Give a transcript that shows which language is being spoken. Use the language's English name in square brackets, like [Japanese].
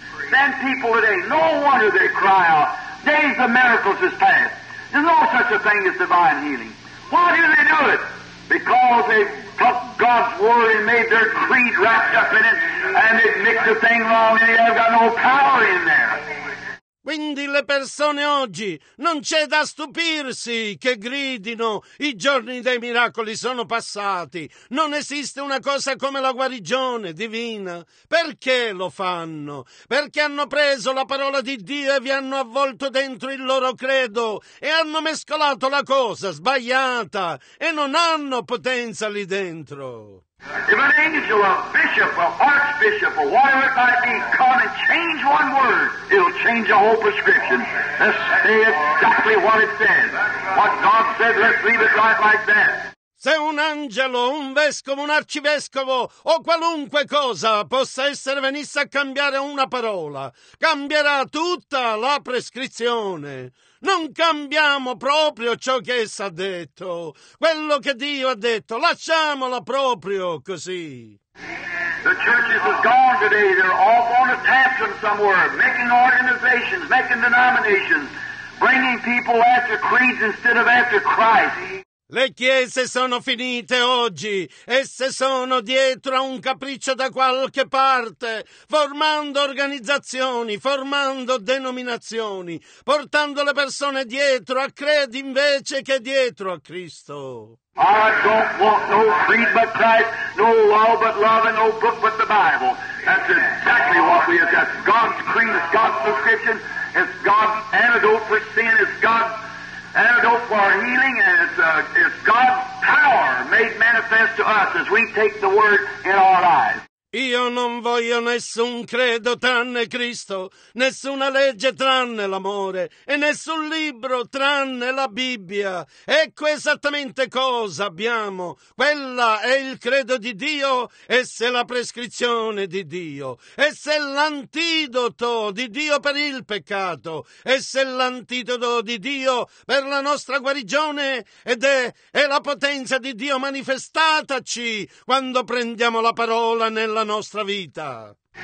[English] Then people today, no wonder they cry out, days of miracles is past. There's no such a thing as divine healing. Why do they do it? Because they took God's word and made their creed wrapped up in it, and it mixed a thing wrong, and they've got no power in there. [Italian] Quindi le persone oggi, non c'è da stupirsi che gridino, i giorni dei miracoli sono passati, non esiste una cosa come la guarigione divina. Perché lo fanno? Perché hanno preso la parola di Dio e vi hanno avvolto dentro il loro credo e hanno mescolato la cosa sbagliata e non hanno potenza lì dentro. [English] If an angel, a bishop, an archbishop, or whatever it might be, come and change one word, it'll change a whole prescription. Let's say exactly what it says. What God said, let's leave it right like that. [Italian] Se un angelo, un vescovo, un arcivescovo o qualunque cosa possa essere venisse a cambiare una parola, cambierà tutta la prescrizione. Non cambiamo proprio ciò che essa ha detto. Quello che Dio ha detto, lasciamola proprio così. [English] The churches are gone today. They're off on a tantrum somewhere, making organizations, making denominations, bringing people after creeds instead of after Christ. [Italian] Le chiese sono finite oggi, esse sono dietro a un capriccio da qualche parte, formando organizzazioni, formando denominazioni, portando le persone dietro a credi invece che dietro a Cristo. [English] I don't want no creed but Christ, no law but love, and no book but the Bible. That's exactly what we have got. God's creed is God's prescription, it's God's antidote for sin, it's God's antidote for our healing, and it's God's power made manifest to us as we take the word in our lives. [Italian] Io non voglio nessun credo tranne Cristo, nessuna legge tranne l'amore e nessun libro tranne la Bibbia. Ecco esattamente cosa abbiamo. Quella è il credo di Dio, essa è la prescrizione di Dio, essa è l'antidoto di Dio per il peccato, essa è l'antidoto di Dio per la nostra guarigione ed è la potenza di Dio manifestataci quando prendiamo la parola nella nostra vita.